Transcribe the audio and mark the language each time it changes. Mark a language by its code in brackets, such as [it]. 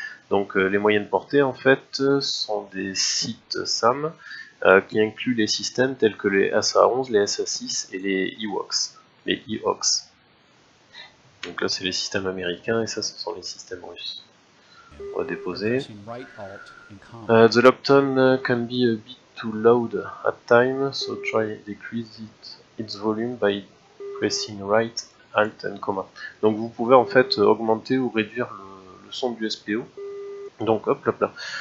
[fr] Donc les moyennes portées, en fait, sont des sites SAM, qui inclut les systèmes tels que les SA-11, les SA-6 et les EWOCs. Les EWOCs. Donc là, c'est les systèmes américains et ça, ce sont les systèmes russes. On va déposer. [en] The Lockton can be a bit too loud at times, so try decrease its volume by pressing right, alt and comma. [fr] Donc vous pouvez en fait augmenter ou réduire le son du SPO. Donc hop, hop là.